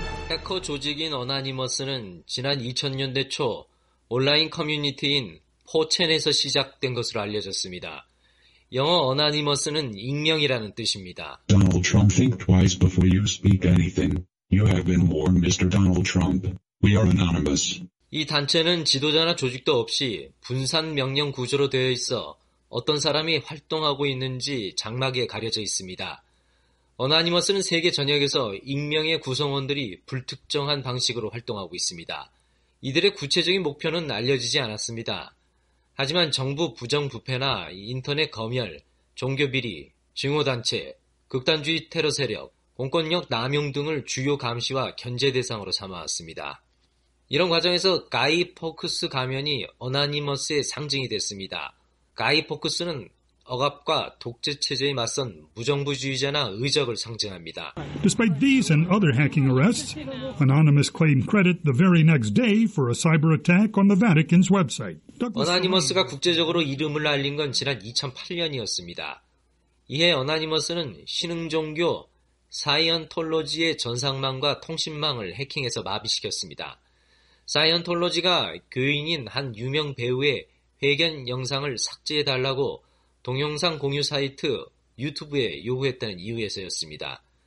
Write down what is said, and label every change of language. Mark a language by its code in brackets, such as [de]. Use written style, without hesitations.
[ko] 해커 조직인 어나니머스는 지난 2000년대 초 온라인 커뮤니티인 4chan에서 시작된 것으로 알려졌습니다. 영어 어나니머스는 익명이라는 뜻입니다. [en] Donald Trump, think twice before you speak anything. You have been warned, Mr. Donald Trump. We are anonymous. [ko] 이 단체는 지도자나 조직도 없이 분산 명령 구조로 되어 있어 어떤 사람이 활동하고 있는지 장막에 가려져 있습니다. 어나니머스는 세계 전역에서 익명의 구성원들이 불특정한 방식으로 활동하고 있습니다. 이들의 구체적인 목표는 알려지지 않았습니다. 하지만 정부 부정부패나 인터넷 검열, 종교비리, 증오단체, 극단주의 테러 세력, 공권력 남용 등을 주요 감시와 견제 대상으로 삼아왔습니다. 이런 과정에서 가이 포크스 가면이 어나니머스의 상징이 됐습니다. 가이 포크스는 억압과 독재 체제에 맞선 무정부주의자나 의적을 상징합니다. [en] Despite these and other hacking arrests, Anonymous claimed credit the very next day for a cyber attack on the Vatican's website. [ko] 어나니머스가 국제적으로 이름을 알린 건 지난 2008년이었습니다. 이에 어나니머스는 신흥종교 사이언톨로지의 전상망과 통신망을 해킹해서 마비시켰습니다. 사이언톨로지가 교인인 한 유명 배우의 회견 영상을 삭제해달라고 동영상 공유 사이트 유튜브에 요구했다는 이유에서였습니다.